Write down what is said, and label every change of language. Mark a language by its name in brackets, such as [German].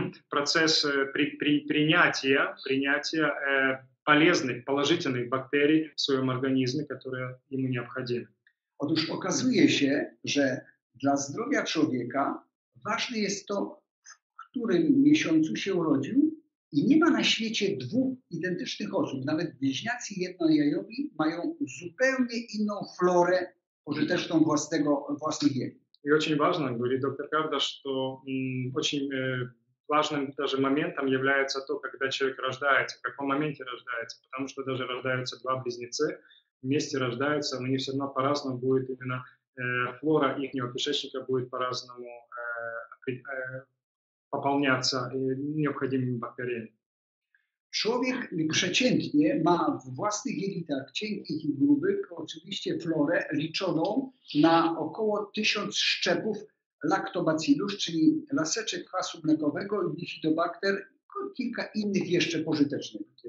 [Russian] Процесс принятия полезных, положительных бактерий в своем организме, которые ему необходимы. [Polish] Otóż okazuje się, że dla zdrowia człowieka ważne jest to, w którym miesiącu się urodził i nie ma na świecie dwóch identycznych osób. Nawet bliźniacy jednojajowi mają zupełnie inną florę pożyteczną własnych jajek. [Russian] И очень важно, говорит доктор Карда, что очень важным даже моментом является то, когда человек рождается, в каком моменте рождается, потому что даже рождаются два близнецы, вместе рождаются, но они все равно по-разному будет именно флора их кишечника будет по-разному пополняться необходимыми бактериями. [Polish] Człowiek przeciętnie ma w własnych jelitach cienkich i grubych oczywiście florę liczoną na około 1000 szczepów laktobacillus, czyli laseczek kwasu mlekowego, bifidobakter i kilka innych jeszcze pożytecznych.